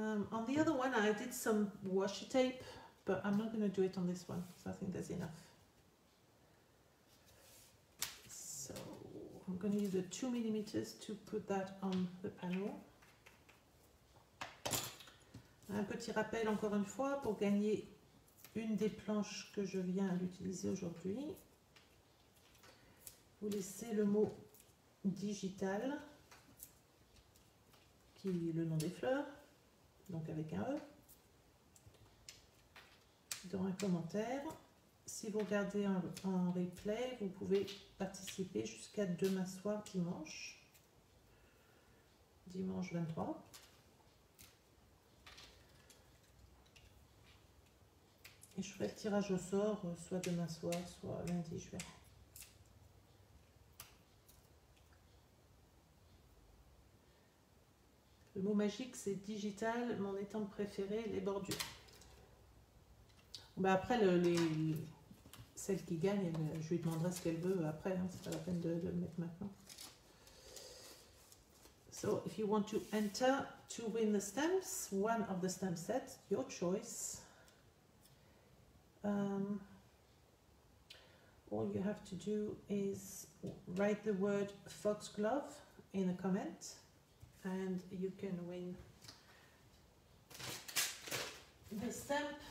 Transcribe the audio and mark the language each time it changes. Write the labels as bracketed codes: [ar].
[en] On the other one, I did some washi tape, but I'm not going to do it on this one, so I think that's enough. So I'm going to use the 2 millimeters to put that on the panel. [fr] Un petit rappel encore une fois pour gagner une des planches que je viens d'utiliser aujourd'hui. Vous laissez le mot digital, qui est le nom des fleurs. Donc avec un E, dans un commentaire. Si vous regardez en replay, vous pouvez participer jusqu'à demain soir, dimanche. Dimanche 23. Et je ferai le tirage au sort, soit demain soir, soit lundi, je verrai. Le mot magique, c'est digital, mon étampe préférée, les bordures. Ben après, Celle qui gagne, je lui demanderai ce qu'elle veut après, hein. C'est pas la peine de le mettre maintenant. [en] So, if you want to enter to win the stamps, one of the stamp sets, your choice. All you have to do is write the word foxglove in a comment and you can win the stamp.